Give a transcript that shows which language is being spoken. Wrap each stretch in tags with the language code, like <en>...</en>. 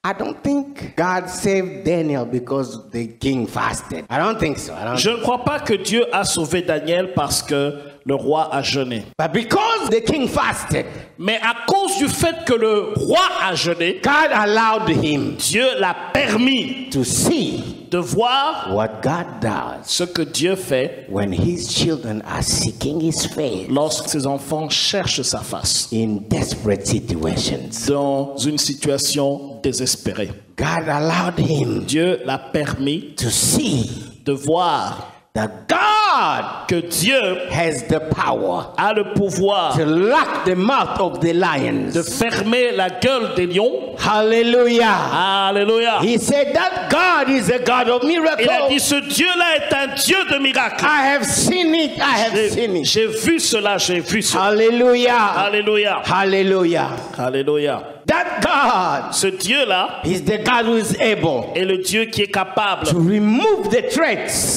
<en>I don't think God saved Daniel because the king fasted. I don't think so. I don't</en> <fr>Je ne crois pas que Dieu a sauvé Daniel parce que le roi a jeûné.</fr> <en>But because the king fasted.</en> <fr>Mais à cause du fait que le roi a jeûné.</fr> <en>God allowed him.</en> <fr>Dieu l'a permis</fr> <en>to see</en> <fr>de voir</fr> <en>what God does</en> <fr>ce que Dieu fait</fr> <en>when his children are seeking his face.</en> <fr>Lorsque ses enfants cherchent sa face.</fr> <en>In desperate situations.</en> <fr>Dans une situation désespéré.</fr> <en>God allowed him</en> <fr>Dieu l'a permis</fr> <en>to see</en> <fr>de voir</fr> <en>that God</en> <fr>que Dieu</fr> <en>has the power</en> <fr>a le pouvoir</fr> <en>to lock the mouth of the lions.</en> <fr>De fermer la gueule des lions. Hallelujah. Hallelujah.</fr> <en>He said that God is a God of miracles.</en> <fr>Il a dit ce Dieu-là est un Dieu de miracles.</fr> <en>I have seen it.</en> <fr>J'ai vu cela. J'ai vu cela. Hallelujah. Hallelujah. Hallelujah. Hallelujah.</fr> <en>That God,</en> <fr>ce Dieu-là,</fr> <en>is the God who is able,</en> <fr>est le Dieu qui est capable,</fr> <en>to remove the threats,</en>